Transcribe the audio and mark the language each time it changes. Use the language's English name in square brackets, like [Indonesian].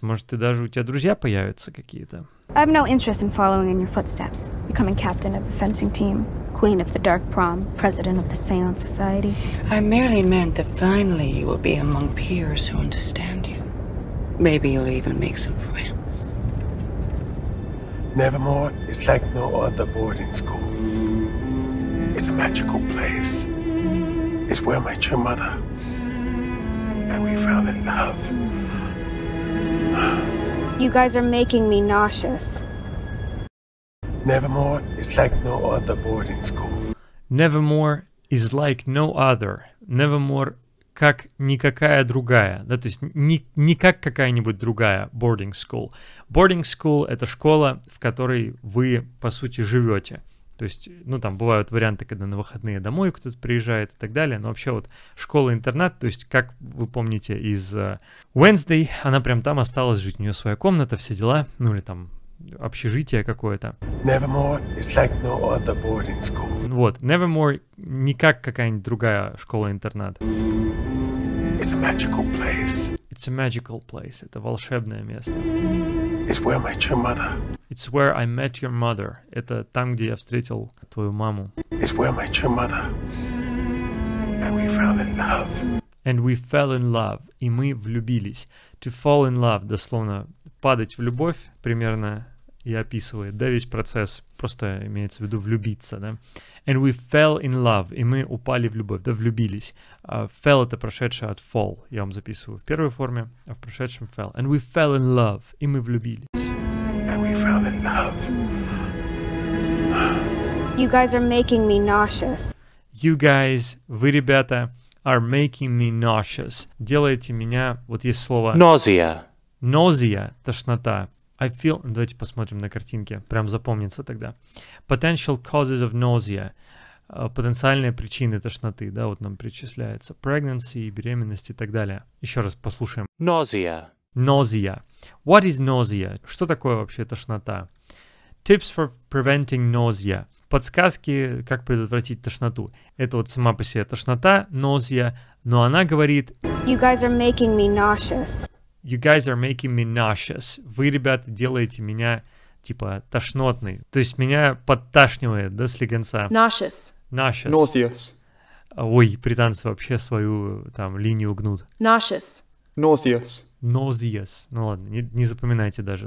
[Russian] Может, ты даже у тебя друзья появятся какие-то. [English] I have no interest in following in your footsteps, becoming captain of the fencing team. Queen of the Dark Prom, President of the Seance Society. I merely meant that finally you will be among peers who understand you. Maybe you'll even make some friends. Nevermore is like no other boarding school. It's a magical place. It's where my true mother and we fell in love. You guys are making me nauseous. Nevermore is like no other boarding school. Nevermore is like no other. [Russian] Nevermore как никакая другая. Да, то есть не как какая-нибудь другая [English] boarding school. [Russian] Boarding school — это школа, в которой вы, по сути, живете. То есть, ну, там бывают варианты, когда на выходные домой кто-то приезжает и так далее. Но вообще вот школа-интернат, то есть, как вы помните из Wednesday, она прям там осталась жить. У нее своя комната, все дела, ну, или там... общежитие какое-то. [English] Nevermore is like no other boarding school. [Russian] Вот, Nevermore не как какая-нибудь другая школа-интернат. [English] It's a magical place. It's a magical place. [Russian] Это волшебное место. [English] It's where I met your mother. It's where I met your mother. [Russian] Это там, где я встретил твою маму. [English] It's where I met your mother. And we fell in love. And we fell in love. [Russian] И мы влюбились. [English] To fall in love, [Russian] дословно падать в любовь, примерно и описывает, да, весь процесс, просто имеется в виду влюбиться, да. [English] And we fell in love, [Russian] и мы упали в любовь, да, влюбились. Fell — это прошедшее от fall, я вам записываю в первой форме, а в прошедшем fell. [English] And we fell in love, [Russian] и мы влюбились. [English] And we fell in love. You guys are making me nauseous. You guys, [Russian] вы, ребята, [English] are making me nauseous. [Russian] Делаете меня, вот есть слово... [English] Nausea. [Russian] Nausea, тошнота. [English] I feel... [Russian] Давайте посмотрим на картинке. Прям запомнится тогда. [English] Potential causes of nausea. [Russian] Потенциальные причины тошноты, да, вот нам причисляется. Pregnancy, беременность и так далее. Еще раз послушаем. [English] Nausea. Nausea. What is nausea? [Russian] Что такое вообще тошнота? [English] Tips for preventing nausea. [Russian] Подсказки, как предотвратить тошноту. Это вот сама по себе тошнота, nausea. Но она говорит... [English] You guys are making me nauseous. You guys are making me nauseous. [Russian] Вы, ребята, делаете меня, типа, тошнотный. То есть меня подташнивает, да, слегонца. [English] Nauseous. Nauseous. Nauseous. [Russian] Ой, британцы вообще свою, там, линию гнут. [English] Nauseous. Nauseous. Nauseous. [Russian] Ну ладно, не запоминайте даже.